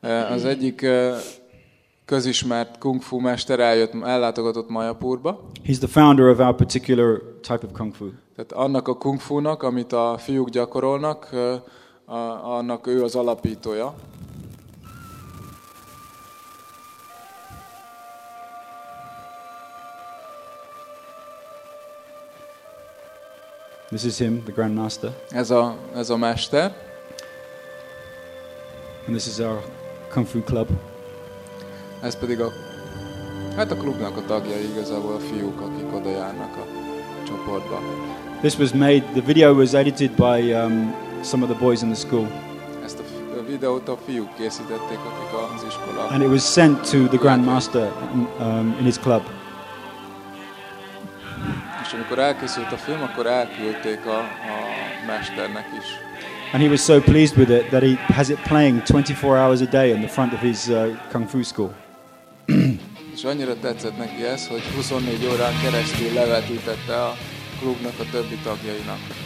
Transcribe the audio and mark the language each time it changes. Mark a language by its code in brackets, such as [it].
[hu] Az egyik közismert kung fu mester ellátogatott Mayapurba. [en] He's the founder of our particular type of kung fu. [hu] Tehát annak a kung fu-nak, amit a fiúk gyakorolnak, annak ő az alapítója. [en] This is him, the grandmaster. [hu] Ez a mester. [en] And this is our kung fu club. [hu] Ez pedig a hát a klubnak a tagjai, igazából a fiúk, akik oda járnak a csoportba. [en] This was made, the video was edited by some of the boys in the school. [hu] Ezt a videót a fiúk készítették, akik az iskola. [en] And it was sent to the grandmaster in his club. [hu] És amikor elkészült a film, akkor elküldték a mesternek is. [en] And he was so pleased with it that he has it playing 24 hours a day in the front of his kung fu school. [hu] És annyira tetszett neki ez, hogy 24 órán keresztül levetítette a klubnak a többi tagjainak.